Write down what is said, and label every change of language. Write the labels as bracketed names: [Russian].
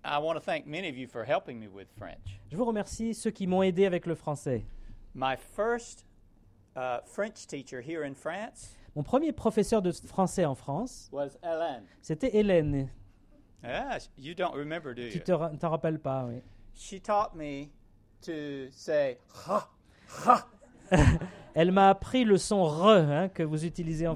[English] I want to thank many of you for helping me with French. [French] Je vous remercie ceux qui m'ont aidé avec le français. [English] My first French teacher here in France. [French] Mon premier professeur de français en France. [English] Was Hélène. [French] C'était Hélène. [English] Yeah, you don't remember, do you? [French] Tu t'en rappelles pas, oui. [English] She taught me to say ha ha. [French] Elle m'a appris le son r hein, que vous utilisez en